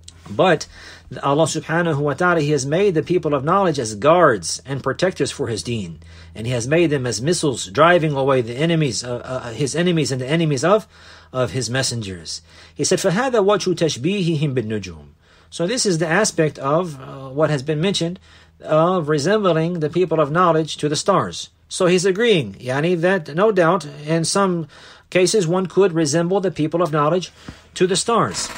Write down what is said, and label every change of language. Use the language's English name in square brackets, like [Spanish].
[English] But Allah subhanahu wa ta'ala, He has made the people of knowledge as guards and protectors for His deen. And He has made them as missiles driving away the enemies, His enemies and the enemies of His messengers. He said, [Arabic] فَهَذَا وَجْهُ تَشْبِيهِهِمْ بِالنُّجُومِ. [English] So this is the aspect of what has been mentioned of resembling the people of knowledge to the stars. So he's agreeing, yani, that no doubt in some cases one could resemble the people of knowledge to the stars.